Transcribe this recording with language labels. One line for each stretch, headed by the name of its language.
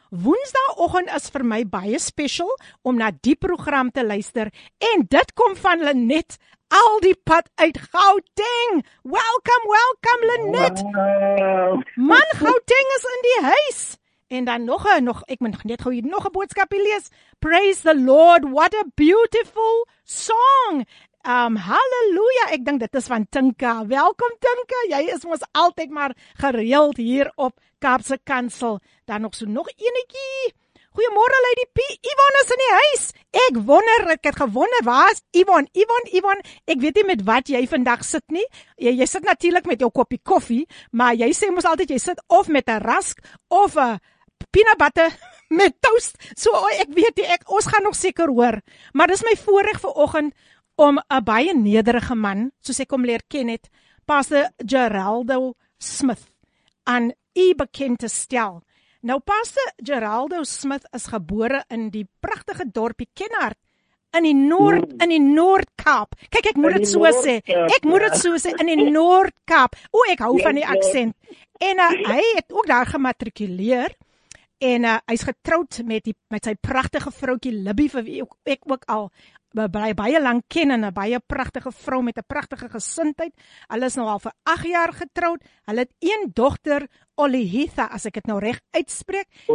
Afrikaans: Woensdagoggend is vir my baie special om na die program te luister. En dit kom van Lenet. Al die pad uit Gauteng.
English: Welcome, welcome, Lenet. Wow.
Afrikaans: Man, Gauteng is in die huis. En dan nog, ek moet net gou hier nog 'n boodskapie lees.
English: Praise the Lord, what a beautiful song.
Afrikaans: Halleluja, ek dink dit is van Tinka. Welkom Tinka, jy is ons altyd maar gereeld hier op Kaapse Kansel. Dan nog so nog enetjie. Goeiemôre Lady P, Yvonne is in die huis. Ek het gewonder, waar is Yvonne, ek weet nie met wat jy vandag sit nie. Jy sit natuurlik met jou koppie koffie, maar jy sê mos altyd jy sit of met 'n rask of 'n peanut butter met toast. So ek weet nie, ons gaan nog seker hoor. Maar dis my voorreg vanoggend om 'n baie nederige man, soos ek hom leer ken het, Pastor Geraldo Smith, aan u bekend te stel. Nou, Pastor Geraldo Smith is gebore in die pragtige dorpie Kenhardt in die Noord-Kaap. Kyk, ek moet dit so sê. Ek moet dit so sê, in die Noord-Kaap. O, ek hou van die aksent. En hy het ook daar gematrikuleer. En hy is getroud met sy pragtige vroutjie Libby, vir wie ek ook al baie lang ken, en 'n baie pragtige vrou met 'n pragtige gesindheid. Hulle is nou al vir 8 jaar getroud. Hulle het een dogter, Olitha, as ek het nou reg uitspreek.